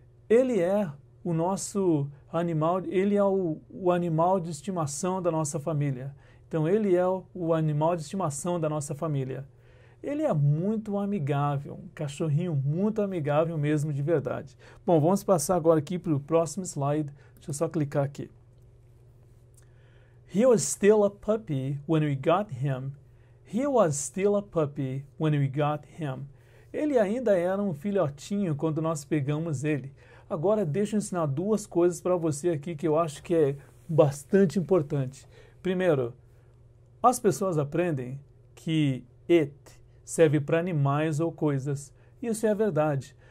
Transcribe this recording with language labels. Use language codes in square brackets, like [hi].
[pt] Ele é o nosso animal, ele é o animal de estimação da nossa família. Então ele é o animal de estimação da nossa família. Ele é muito amigável, um cachorrinho muito amigável mesmo, de verdade. Bom, vamos passar agora aqui para o próximo slide. Deixa eu só clicar aqui. [en] He was still a puppy when we got him. He was still a puppy when we got him. [pt] Ele ainda era um filhotinho quando nós pegamos ele. Agora, deixa eu ensinar duas coisas para você aqui que eu acho que é bastante importante. Primeiro, as pessoas aprendem que it serve para animais ou coisas. Isso é verdade.